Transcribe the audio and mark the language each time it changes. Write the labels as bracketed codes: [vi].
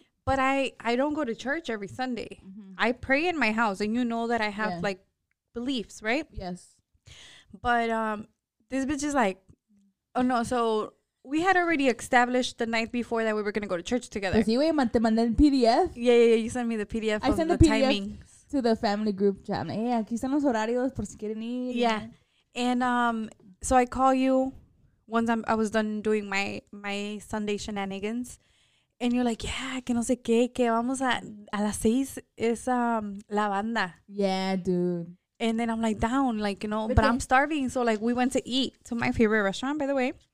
[en] But I don't go to church every Sunday. Mm-hmm. I pray in my house, and you know that I have, like, beliefs, right? Yes. But this bitch is like, oh, no, so... We had already established the night before that we were going to go to church together. [es] Sí, güey, te mandé el PDF. [en] Yeah, you sent me the PDF of the timings. I sent the PDF to the family group chat. [es] Hey, aquí están los horarios por si quieren ir. [en] Yeah. And so I call you once I was done doing my Sunday shenanigans. And you're like, yeah, [es] que no sé qué, que vamos a las seis es la banda. [en] Yeah, dude. And then I'm like, down, like, you know, but I'm starving. So, like, we went to eat to my favorite restaurant, by the way.